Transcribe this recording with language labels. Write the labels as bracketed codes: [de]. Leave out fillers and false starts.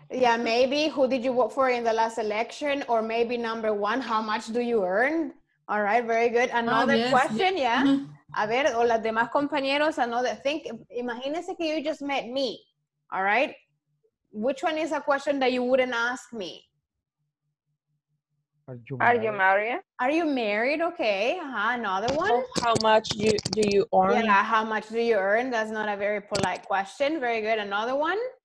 [en] Yeah, maybe who did you vote for in the last election? Or maybe number one, how much do you earn? All right, very good. Another question, yeah? [es] A ver, o las demás compañeros, [en] another thing. [es] Imagínese que [en] you just met me, all right? Which one is a question that you wouldn't ask me? Are you married? Are you married? Okay, another one. How much do you earn? Yeah, how much do you earn? That's not a very polite question. Very good, another one.